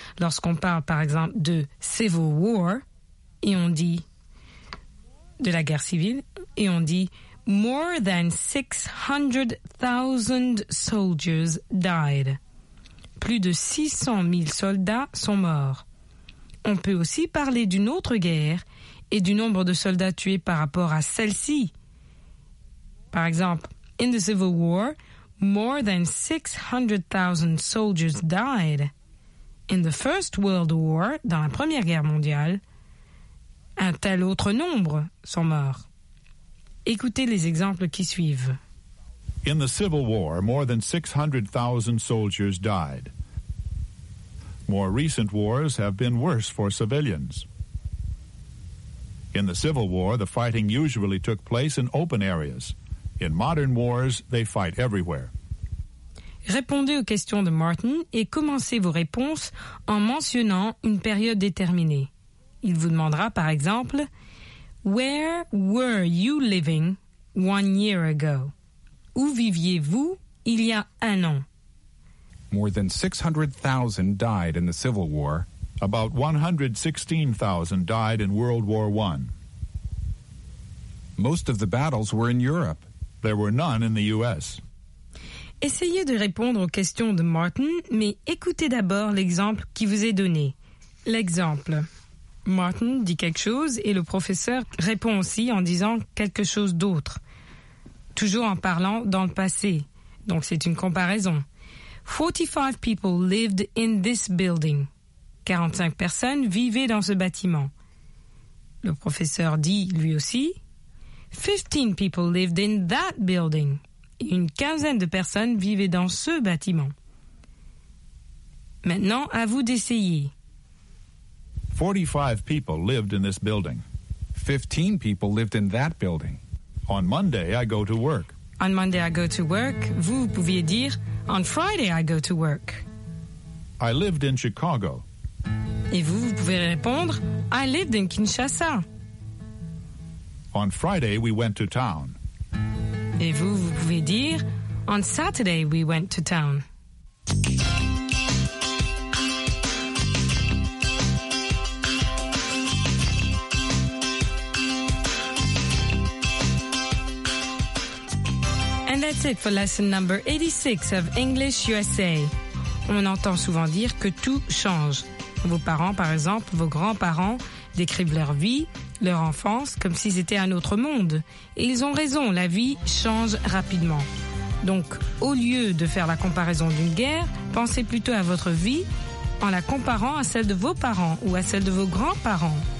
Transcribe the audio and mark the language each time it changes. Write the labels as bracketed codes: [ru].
[fr] Lorsqu'on parle, par exemple, de Civil War, et on dit de la guerre civile, et on dit [en] More than 600,000 soldiers died. [fr] Plus de 600 000 soldats sont morts. On peut aussi parler d'une autre guerre et du nombre de soldats tués par rapport à celle-ci. Par exemple, [en] in the Civil War, more than 600,000 soldiers died. In the First World War, [fr] dans la Première Guerre mondiale, un tel autre nombre sont morts. Écoutez les exemples qui suivent. [en] In the Civil War, more than 600,000 soldiers died. More recent wars have been worse for civilians. In the Civil War, the fighting usually took place in open areas. In modern wars, they fight everywhere. [fr] Répondez aux questions de Martin et commencez vos réponses en mentionnant une période déterminée. Il vous demandera, par exemple, [en] Where were you living 1 year ago? [fr] Où viviez-vous il y a un an? [en] More than 600,000 died in the Civil War. About 116,000 died in World War I. Most of the battles were in Europe. There were none in the U.S. [fr] Essayez de répondre aux questions de Martin, mais écoutez d'abord l'exemple qui vous est donné. L'exemple. Martin dit quelque chose et le professeur répond aussi en disant quelque chose d'autre. Toujours en parlant dans le passé. Donc c'est une comparaison. [en] 45 people lived in this building. [fr] 45 personnes vivaient dans ce bâtiment. Le professeur dit, lui aussi, [en] 15 people lived in that building. [fr] Une quinzaine de personnes vivaient dans ce bâtiment. Maintenant, à vous d'essayer. [en] 45 people lived in this building. 15 people lived in that building. On Monday, I go to work. On Monday, I go to work. [fr] Vous pouviez dire... [en] On Friday, I go to work. I lived in Chicago. [fr] Et vous, vous pouvez répondre, [en] I lived in Kinshasa. On Friday, we went to town. [fr] Et vous, vous pouvez dire, [en] on Saturday, we went to town. That's it for lesson number 86 of English USA. [fr] On entend souvent dire que tout change. Vos parents, par exemple, vos grands-parents, décrivent leur vie, leur enfance, comme si c'était un autre monde. Et ils ont raison, la vie change rapidement. Donc, au lieu de faire la comparaison d'une guerre, pensez plutôt à votre vie en la comparant à celle de vos parents ou à celle de vos grands-parents.